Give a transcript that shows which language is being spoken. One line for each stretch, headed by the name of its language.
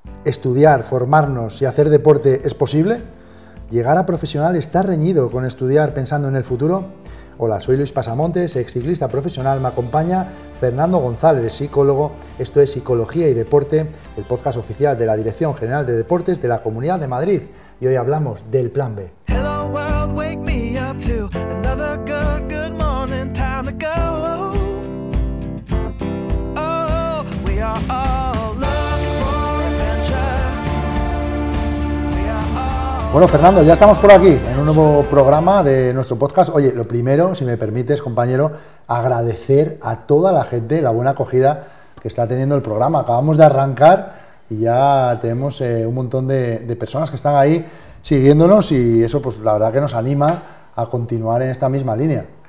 Spanish: estudiar, formarnos y hacer deporte es posible? ¿Llegar a profesional está reñido con estudiar pensando en el futuro? Hola, soy Luis Pasamontes, ex ciclista profesional. Me acompaña Fernando González, psicólogo. Esto es Psicología y Deporte, el podcast oficial de la Dirección General de Deportes de la Comunidad de Madrid. Y hoy hablamos del Plan B.
English: Hello world, wake me up to another good morning, time to go. Oh, we are all looking for adventure. We are all...
Spanish: Bueno, Fernando, ya estamos por aquí en un nuevo programa de nuestro podcast. Oye, lo primero, si me permites, compañero, agradecer a toda la gente la buena acogida que está teniendo el programa. Acabamos de arrancar y ya tenemos un montón de personas que están ahí siguiéndonos, y eso, pues la verdad que nos anima a continuar en esta misma línea.